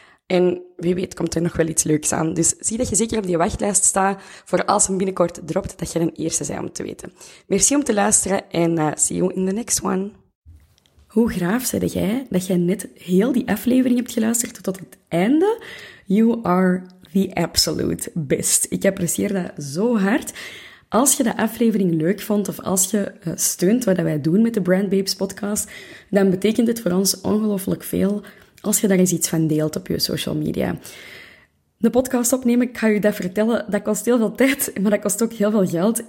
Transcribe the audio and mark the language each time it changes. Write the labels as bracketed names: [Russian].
[Dutch] En wie weet komt er nog wel iets leuks aan. Dus zie dat je zeker op die wachtlijst staat voor als hem binnenkort dropt, dat je de eerste bent om te weten. Merci om te luisteren en [English] see you in the next one. [Dutch] Hoe graaf zei jij dat jij net heel die aflevering hebt geluisterd tot het einde? [English] You are the absolute best. [Dutch] Ik apprecieer dat zo hard. Als je de aflevering leuk vond of als je steunt wat wij doen met de Brand Babes podcast, dan betekent het voor ons ongelooflijk veel als je daar eens iets van deelt op je social media. De podcast opnemen, ik ga je dat vertellen, dat kost heel veel tijd, maar dat kost ook heel veel geld.